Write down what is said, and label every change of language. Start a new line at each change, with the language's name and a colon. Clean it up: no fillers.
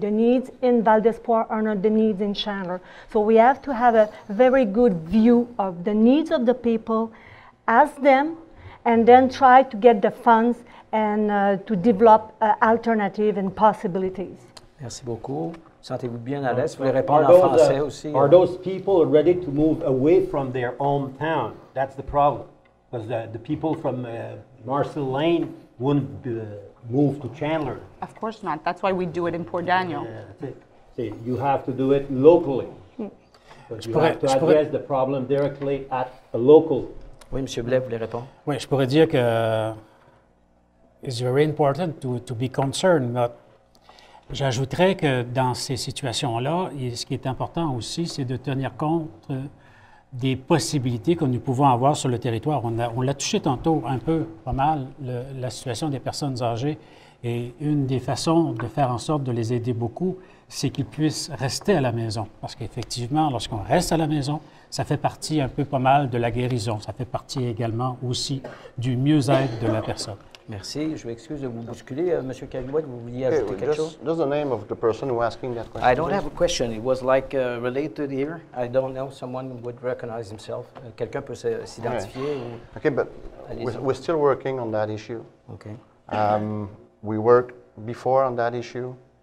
English: The needs in Val d'Espoir are not the needs in Chandler. So we have to have a very good view of the needs of the people, ask them, and then try to get the funds and to develop alternative and possibilities.
French: Merci beaucoup. Sentez-vous bien à l'aise? Vous voulez répondre en français aussi?
English: Are those people ready to move away from their hometown? That's the problem. Because the people from Marcel Lane wouldn't move to Chandler. Of course not. That's why we do it in Port Daniel. See, you have to do it locally. You have to address the problem directly at a local.
French: Oui, M. Blais, vous voulez répondre? Oui, je pourrais dire que
English: it's very important to be concerned, but
French: j'ajouterais que dans ces situations-là, ce qui est important aussi, c'est de tenir compte des possibilités que nous pouvons avoir sur le territoire. On l'a touché tantôt un peu, pas mal, la situation des personnes âgées. Et une des façons de faire en sorte de les aider beaucoup, c'est qu'ils puissent rester à la maison. Parce qu'effectivement, lorsqu'on reste à la maison, ça fait partie un peu pas mal de la guérison. Ça fait partie également aussi du mieux-être de la personne. Merci. Je m'excuse de vous bousculer. Monsieur Caillouette, vous vouliez ajouter quelque chose?
English: Just the name of the person who asking that question. I don't have a question. It was like related here. I don't know. Someone would recognize himself.
French: Quelqu'un peut s'identifier.
English: Okay. Okay, but we're still working on that issue. Okay. We worked before on that issue.